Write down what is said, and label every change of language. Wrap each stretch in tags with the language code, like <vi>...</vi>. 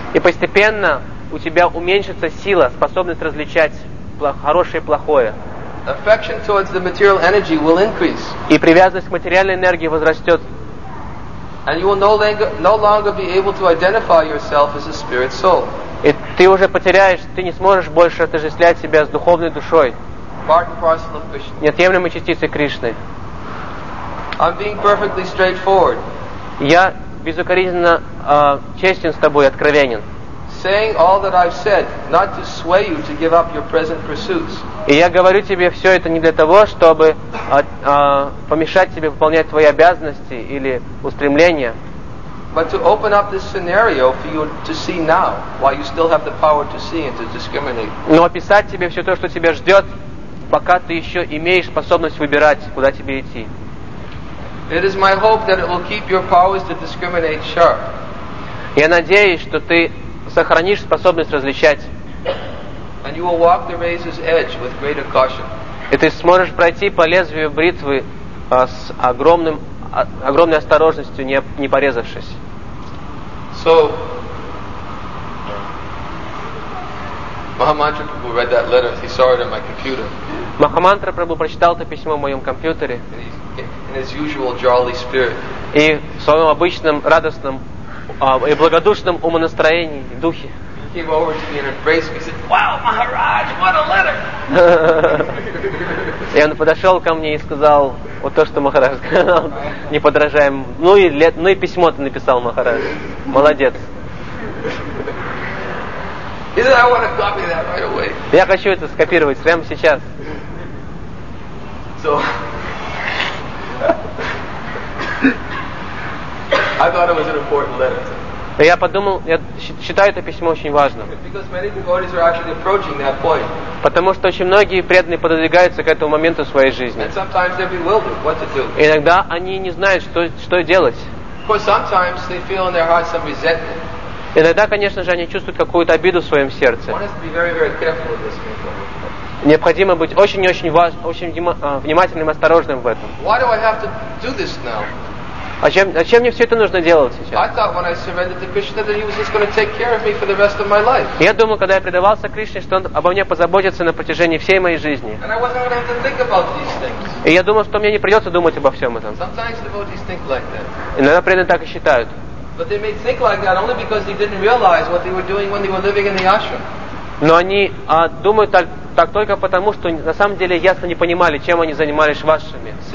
<ru>И постепенно у тебя уменьшится сила, способность различать хорошее и плохое.</ru> <en>Affection towards the material energy will increase.</en> <ru>И привязанность к материальной энергии возрастет.</ru> <en>And you will no longer be able to identify yourself as a spirit soul.</en> <ru>И ты уже потеряешь, ты не сможешь больше отождествлять себя с духовной душой.</ru> <en>Part and parcel of Krishna.</en> <ru>Неотъемлемой частицей Кришны.</ru> <en>I'm being perfectly straightforward.</en> <ru>Я безукоризненно честен с тобой, откровенен.</ru> <en>Saying all that I've said, not to sway you to give up your present pursuits.</en> <ru>И я говорю тебе все это не для того, чтобы помешать тебе выполнять твои обязанности или устремления.</ru> <en>But to open up this scenario for you to see now, while you still have the power to see and to discriminate.</en> <ru>Но описать тебе все то, что тебя ждет, пока ты еще имеешь способность выбирать, куда тебе идти.</ru> <en>It is my hope that it will keep your powers to discriminate sharp.</en> <ru>Я надеюсь, что ты сохранишь способность различать. И ты сможешь пройти по лезвию бритвы с огромной осторожностью, не порезавшись.</ru> <en>So, Mahamantra Prabhu read that letter. He saw it on my computer.</en> <ru>Mahamantra Prabhu прочитал это письмо в моем компьютере.</ru> <en>In his usual jolly spirit.</en> <ru>И в своем обычном радостном и благодушном умонастроении, духе.</ru> <en>He came over to me and embraced me. He said, "Wow, Maharaj, what a letter!"</en> <ru>И он подошел ко мне и сказал, вот то, что Махарадж сказал, неподражаем. Ну и письмо ты написал, Махарадж. Молодец.</ru> <en>He said, "I want to copy that right away."</en> <ru>Я хочу это скопировать прямо сейчас.</ru> <en>So, I thought it was an important letter.</en> <ru>Я подумал, я считаю это письмо очень важным.</ru> <en>Because many devotees are actually approaching that point.</en> <ru>Потому что очень многие преданные пододвигаются к этому моменту в своей жизни.</ru> <en>And sometimes they're bewildered what to do.</en> <ru>Иногда они не знают, что делать.</ru> <en>Of course, sometimes they feel in their heart some resentment.</en> <ru>Иногда, конечно же, они чувствуют какую-то обиду в своем сердце.</ru> <en>One has to be very, very careful with this.</en> <ru>Необходимо быть очень внимательным и осторожным в этом.</ru> <en>Why do I have to do this now?</en> <ru>А чем мне все это нужно делать сейчас?</ru> <en>I thought when I surrendered to Krishna that he was just going to take care of me for the rest of my life.</en> <ru>Я думал, когда я предавался Кришне, что он обо мне позаботится на протяжении всей моей жизни.</ru> <en>And I wasn't going to have to think about these things.</en> <ru>И я думал, что мне не придется думать обо всем этом.</ru> <en>Sometimes devotees think like that.</en> <ru>Иногда преданные так и считают.</ru> <en>But they may think like that only because they didn't realize what they were doing when they were living in the ashram.</en> <ru>Но они думают так только потому, что на самом деле ясно не понимали, чем они занимались в ашраме.</ru>